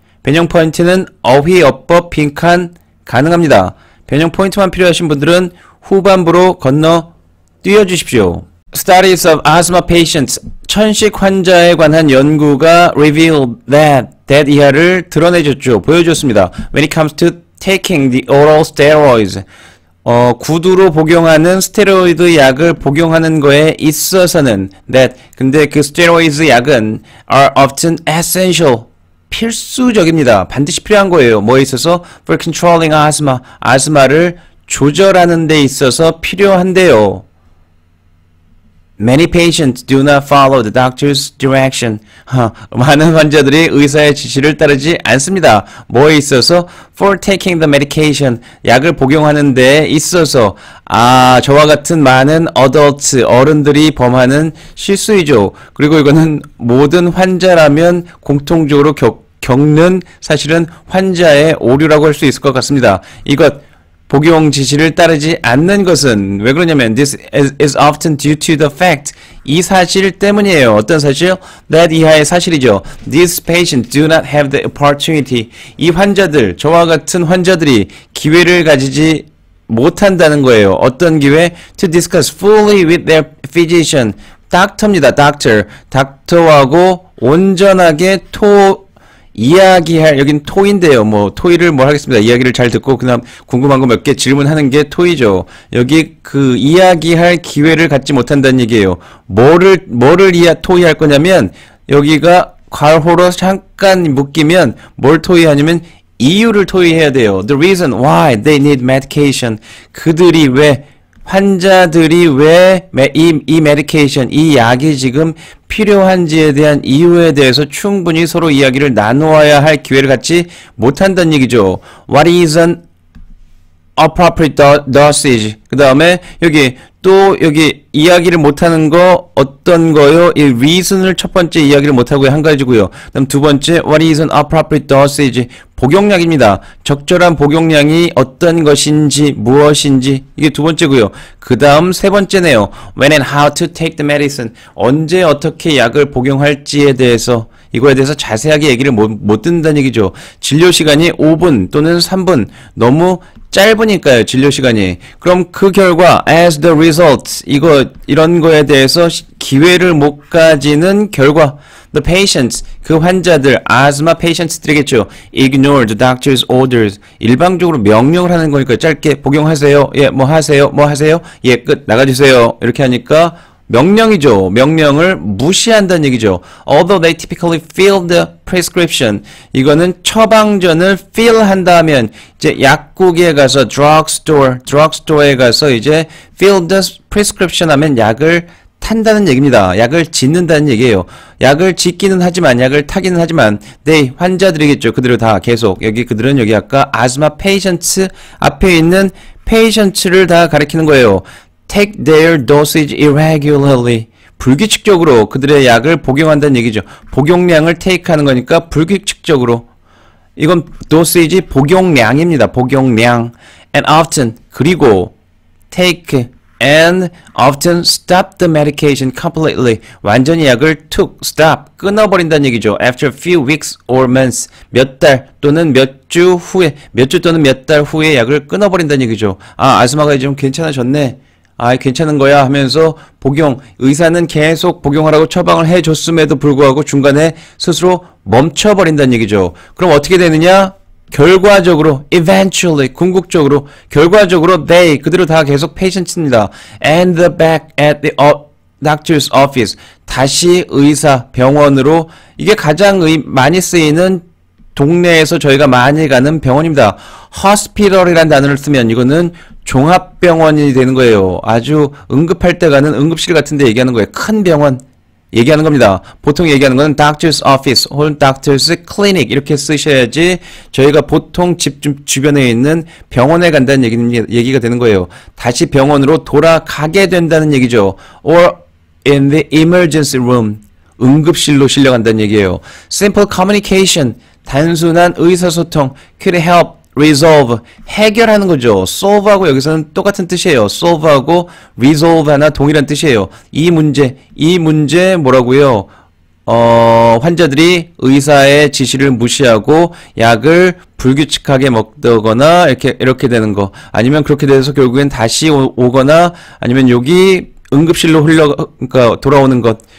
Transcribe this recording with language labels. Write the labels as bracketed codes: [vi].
[ko] 변형 포인트는 어휘어법 빈칸 가능합니다. 변형 포인트만 필요하신 분들은 후반부로 건너 뛰어주십시오. [en] Studies of asthma patients. [ko] 천식 환자에 관한 연구가 [en] reveal that [ko] 이하를 드러내줬죠. 보여줬습니다. [en] When it comes to taking the oral steroids. [ko] 구두로 복용하는 스테로이드 약을 복용하는 거에 있어서는 that. 근데 그 스테로이드 약은 [en] are often essential. [ko] 필수적입니다. 반드시 필요한 거예요. 뭐에 있어서? [en] For controlling asthma. [ko] 아스마를 조절하는 데 있어서 필요한데요. [en] Many patients do not follow the doctor's direction. [ko] 많은 환자들이 의사의 지시를 따르지 않습니다. 뭐에 있어서? [en] For taking the medication. [ko] 약을 복용하는 데 있어서. 아, 저와 같은 많은 adults, 어른들이 범하는 실수이죠. 그리고 이거는 모든 환자라면 공통적으로 겪는 사실은 환자의 오류라고 할 수 있을 것 같습니다. 이것. 복용 지시를 따르지 않는 것은 왜 그러냐면 [en] this is often due to the fact [ko] 이 사실 때문이에요. 어떤 사실? that 이하의 사실이죠. [en] These patients do not have the opportunity. [ko] 이 환자들, 저와 같은 환자들이 기회를 가지지 못한다는 거예요. 어떤 기회? [en] to discuss fully with their physician. [ko] 닥터입니다. 닥터. 닥터하고 온전하게 이야기할, 여긴 토인데요. 뭐 토의를 뭐 하겠습니다. 이야기를 잘 듣고 그냥 궁금한 거 몇 개 질문하는 게 토의죠. 여기 그 이야기할 기회를 갖지 못한다는 얘기예요. 뭐를 토의할 거냐면 여기가 괄호로 잠깐 묶이면 뭘 토의하냐면 이유를 토의해야 돼요. [en] The reason why they need medication. [ko] 그들이 왜 환자들이 왜 이 medication, 이 약이 지금 필요한지에 대한 이유에 대해서 충분히 서로 이야기를 나누어야 할 기회를 갖지 못한다는 얘기죠. [en] What is an appropriate dosage? [ko] 그 다음에 여기 또 여기 이야기를 못하는 거 어떤 거요? 이 reason을 첫 번째 이야기를 못하고요. 한 가지고요. 그다음 두 번째 [en] What is an appropriate dosage? [ko] 복용량입니다. 적절한 복용량이 어떤 것인지 무엇인지 이게 두 번째고요. 그 다음 세 번째네요. [en] When and how to take the medicine. [ko] 언제 어떻게 약을 복용할지에 대해서 이거에 대해서 자세하게 얘기를 못 듣는다는 얘기죠. 진료시간이 5분 또는 3분 너무 짧으니까요. 진료시간이. 그럼 그 결과 [en] as the result [ko] 이거 이런 거에 대해서 기회를 못 가지는 결과 [en] the patients [ko] 그 환자들 asthma patients들이겠죠. [en] ignore the doctor's orders [ko] 일방적으로 명령을 하는 거니까 짧게 복용하세요. 예, 뭐 하세요? 뭐 하세요? 예, 끝. 나가주세요. 이렇게 하니까 명령이죠. 명령을 무시한다는 얘기죠. [en] Although they typically fill the prescription. [ko] 이거는 처방전을 fill 한다면 이제 약국에 가서 drugstore에 가서 이제 [en] fill the prescription [ko] 하면 약을 탄다는 얘기입니다. 약을 짓는다는 얘기예요. 약을 짓기는 하지만 약을 타기는 하지만 they 환자들이겠죠. 그대로 다 계속 여기 그들은 여기 아까 asthma patients 앞에 있는 patients를 다 가리키는 거예요. [en] Take their dosage irregularly. [ko] 불규칙적으로 그들의 약을 복용한다는 얘기죠. 복용량을 take하는 거니까 불규칙적으로. 이건 dosage 복용량입니다. 복용량. [en] And often, [ko] 그리고 [en] take and often stop the medication completely. [ko] 완전히 약을 took, stop, 끊어버린다는 얘기죠. [en] After a few weeks or months, [ko] 몇 달 또는 몇 주 후에, 몇 주 또는 몇 달 후에 약을 끊어버린다는 얘기죠. 아, 아스마가 이제 좀 괜찮아졌네. 아, 괜찮은 거야 하면서 복용, 의사는 계속 복용하라고 처방을 해줬음에도 불구하고 중간에 스스로 멈춰버린다는 얘기죠. 그럼 어떻게 되느냐? 결과적으로, [en] eventually, [ko] 궁극적으로, 결과적으로 they, 그대로 다 계속 patients입니다. [en] And the back at the doctor's office, [ko] 다시 의사, 병원으로, 이게 가장 많이 쓰이는 동네에서 저희가 많이 가는 병원입니다. Hospital이라는 단어를 쓰면 이거는 종합병원이 되는 거예요. 아주 응급할 때 가는 응급실 같은 데 얘기하는 거예요. 큰 병원 얘기하는 겁니다. 보통 얘기하는 건 Doctor's Office 혹은 Doctor's Clinic 이렇게 쓰셔야지 저희가 보통 집 주변에 있는 병원에 간다는 얘기가 되는 거예요. 다시 병원으로 돌아가게 된다는 얘기죠. [en] Or in the emergency room [ko] 응급실로 실려간다는 얘기예요. [en] Simple communication [ko] 단순한 의사소통 [en] could help [ko] resolve 해결하는 거죠. solve하고 여기서는 똑같은 뜻이에요. solve하고 resolve 하나 동일한 뜻이에요. 이 문제 뭐라고요? 환자들이 의사의 지시를 무시하고 약을 불규칙하게 먹거나 이렇게 되는 거, 아니면 그렇게 돼서 결국엔 다시 오거나 아니면 여기 응급실로 그러니까 돌아오는 것.